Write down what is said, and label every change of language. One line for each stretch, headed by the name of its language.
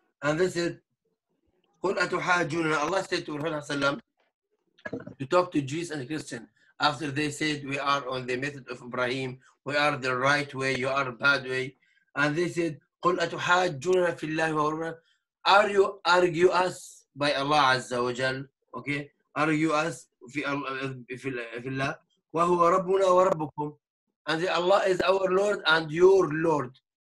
English: And this is
Arabic: قل أتحاجوننا.
English: Allah said to Prophet to talk to Jews and Christians after they said we are on the method of Ibrahim, we are the right way, you are bad way. And they said
Arabic: قل أتحاجوننا في الله وربنا.
English: Are you argue us by Allah Azza wa Jal? Okay. Argue us
Arabic: في الله وهو ربنا وربكم.
English: And the Allah is our Lord and your Lord.